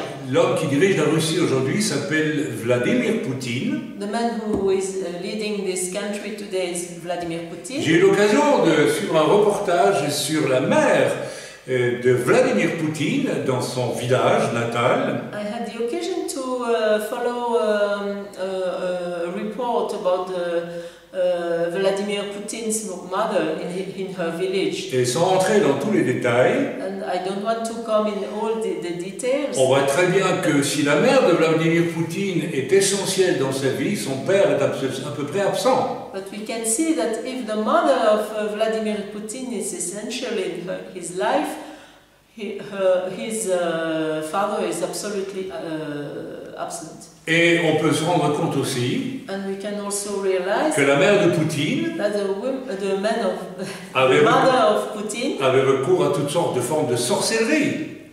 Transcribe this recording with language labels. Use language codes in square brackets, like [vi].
[fr] L'homme qui dirige la Russie aujourd'hui s'appelle Vladimir Poutine. [en] The man who is leading this country today is Vladimir Poutine. [fr] J'ai eu l'occasion de suivre un reportage sur la mer de Vladimir Poutine dans son village natal. [en] I had the occasion to follow a report about Vladimir Poutine's mother in her village. [fr] Et sans entrer dans tous les détails, [en] and I don't want to come in all the details. [fr] On voit très bien que si la mère de Vladimir Poutine est essentielle dans sa vie, son père est à peu près absent. [en] But we can see that if the mother of Vladimir Putin is essential in his life, his father is absolutely absent. [fr] Et on peut se rendre compte aussi que la mère de Poutine, avait recours à toutes sortes de formes de sorcellerie.